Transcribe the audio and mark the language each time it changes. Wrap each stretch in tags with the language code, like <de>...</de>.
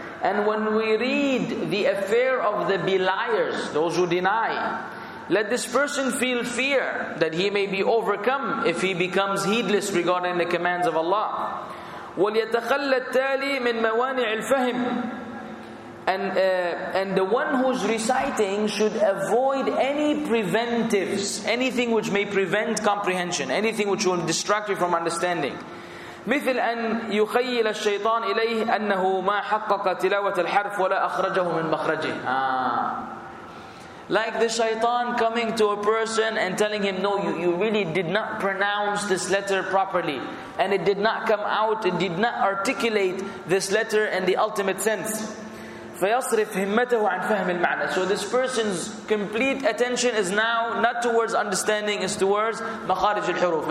<en>And when we read the affair of the beliars, those who deny, let this person feel fear that he may be overcome if he becomes heedless regarding the commands of Allah.</en> <ar>وَلْيَتَخَلَّ التَّالِي مِنْ مَوَانِعِ الْفَهِمِ.</ar> <en>And the one who's reciting should avoid any preventives, anything which may prevent comprehension, anything which will distract you from understanding.</en> <ar>مثل أن يخيل الشيطان إليه أنه ما حقق تلاوة الحرف ولا أخرجه من مخرجه.</ar> <en>Like the shaitan coming to a person and telling him, no, you really did not pronounce this letter properly. And it did not come out, it did not articulate this letter in the ultimate sense.</en> <ar>فَيَصْرِفْ هِمَّتَهُ عَنْ فَهْمِ الْمَعْنَى.</ar> <en>So this person's complete attention is now not towards understanding, it's towards مخارج الحروف.</en>